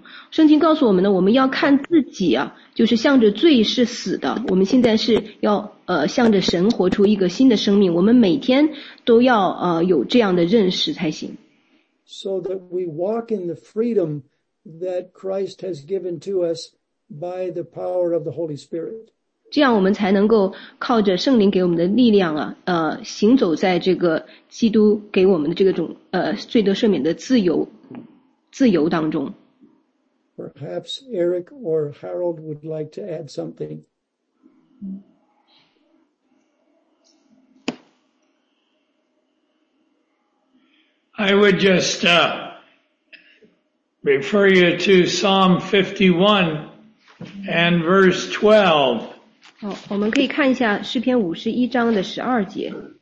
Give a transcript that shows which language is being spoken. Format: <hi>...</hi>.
<zh>圣经告诉我们呢我们要看自己啊就是向着罪是死的我们现在是要向着神活出一个新的生命我们每天都要有这样的认识才行。</zh> <en>So that we walk in the freedom that Christ has given to us by the power of the Holy Spirit.</en> <zh>这样我们才能够靠着圣灵给我们的力量啊行走在这个基督给我们的这个种罪得赦免的自由当中。</zh> <en>Perhaps Eric or Harold would like to add something. I would just refer you to Psalm 51 and verse 12.</en> <zh>好，我们可以看一下诗篇五十一章的十二节。</zh>